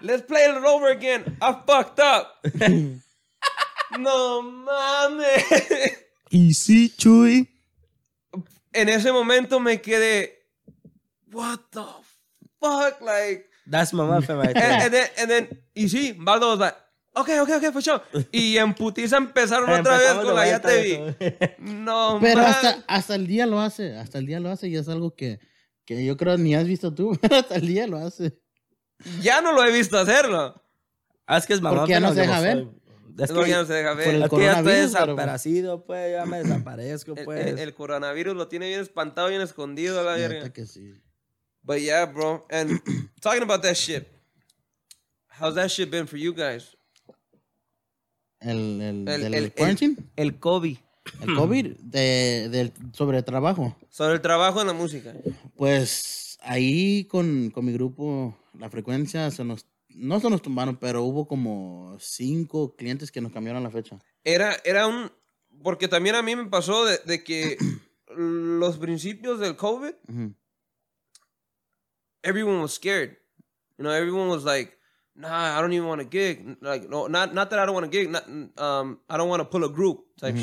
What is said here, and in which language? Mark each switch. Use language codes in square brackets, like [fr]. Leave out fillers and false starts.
[en] Let's play it all over again. I fucked up. [es] No mames. Y sí, Chuy. En ese momento me quedé, [en] what the fuck? Like, that's my muffin right there. And then, [es] y sí, [en] Baldo was like, okay, for sure. [es] Y en putiza empezaron otra vez con la ya te vi. No mames. Pero hasta el día lo hace. Hasta el día lo hace y es algo que yo creo ni has visto tú. Hasta el día lo hace. Ya no lo he visto hacerlo. Es que es mamá. Porque ya no se deja ver. Es que ya no se deja ver. Por el coronavirus. Ya estoy desaparecido, pues. Ya me desaparezco, pues. El coronavirus lo tiene bien espantado, bien escondido, la verga. Fíjate que sí. [en] But yeah, bro. And talking about that shit. How's that shit been for you guys? [es] El quarantine? El COVID. El COVID sobre el trabajo. Sobre el trabajo en la música. Pues ahí con mi grupo, la frecuencia se nos... No se nos tumbaron, pero hubo como 5 clientes que nos cambiaron la fecha. Era un... Porque también a mí me pasó de que los principios del COVID, uh-huh. [en] Everyone was scared. You know, everyone was like, nah, I don't even want a gig. Like, no, not that I don't want a gig. I don't want to pull a group type uh-huh.